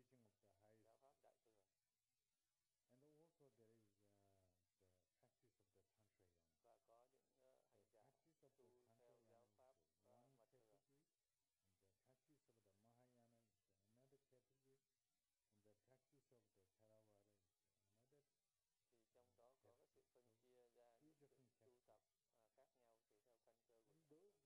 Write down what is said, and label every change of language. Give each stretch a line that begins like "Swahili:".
English: And also there is the practice of the Tantra Yama.
Vietnamese: Và có những hành giả tu theo giáo pháp mật thừa.
English: And the practice of the Mahayana is another category. And the practice of the Theravada is another.
Vietnamese: Thì trong đó có cái sự phân chia ra những sự tu tập khác nhau tùy theo căn cơ của khác nhau.